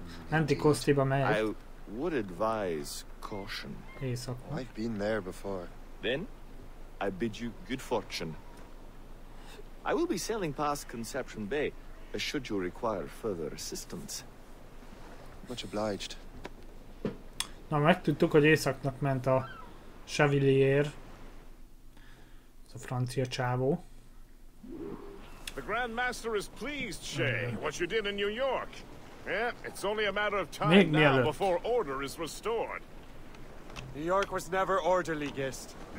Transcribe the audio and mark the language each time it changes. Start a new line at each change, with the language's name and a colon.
Hungarian: Anticosti-ba megy.
English: I would advise caution.
Hungarian: Éjszakon.
English: I've been there before. Then, I bid you good fortune. I will be sailing past Conception Bay, should you require further assistance. Much obliged.
Hungarian: Na, megtudtuk, hogy éjszaknak ment a Chevalier. Ez a francia csávó.
English: The Grand Master is pleased, Shay, what you did in New York. Yeah, it's only a matter of time now before order is restored. New York was never orderly, Gist.